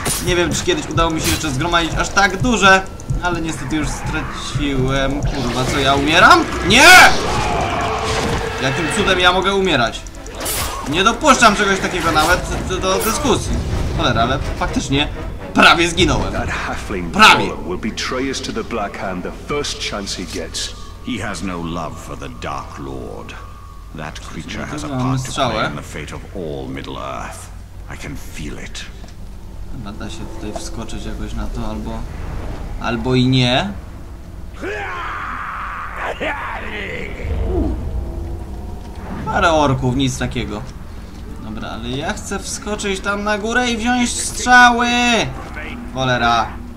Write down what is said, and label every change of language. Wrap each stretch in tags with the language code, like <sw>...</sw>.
<pl>Nie wiem, czy kiedyś udało mi się jeszcze zgromadzić aż tak duże, ale niestety już straciłem, kurwa, co ja umieram? Nie! Jakim cudem ja mogę umierać? Nie dopuszczam czegoś takiego nawet do dyskusji. Cholera, ale faktycznie prawie zginąłem. Prawie.</pl> <en>Will betray us to the Black Hand the first chance he gets. He has no love for the Dark Lord. That creature has a part to play in the fate of all Middle Earth. I can feel it.</en> <pl>Chyba da się tutaj wskoczyć jakoś na to, albo. Albo i nie. Parę orków, nic takiego. Dobra, ale ja chcę wskoczyć tam na górę i wziąć strzały! Cholera.</pl>